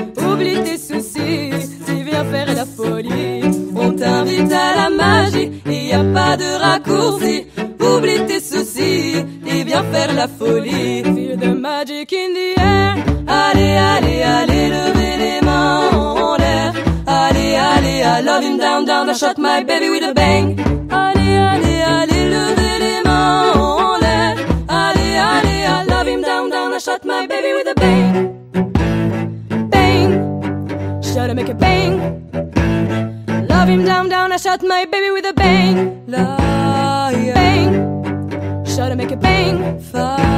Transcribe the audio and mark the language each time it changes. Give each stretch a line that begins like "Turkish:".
French: Oublie tes soucis, tu viens faire la folie. On t'invite à la magie, il n'y a pas de raccourci. Oublie tes soucis, tu viens faire la folie.
English: Feel the magic in the air.
French: Allez, allez, allez, levez les mains. Allez, allez,
English: I love him down, down, I shot my baby with a bang.
French: Allez, allez, allez, levez les mains en l'air. Allez, allez,
English: I love him down, down, I shot my baby with a bang. Bang, shot him, make a bang. Love him down, down, I shot my baby with a bang. Liar. Bang, shot him, make a bang. Fire.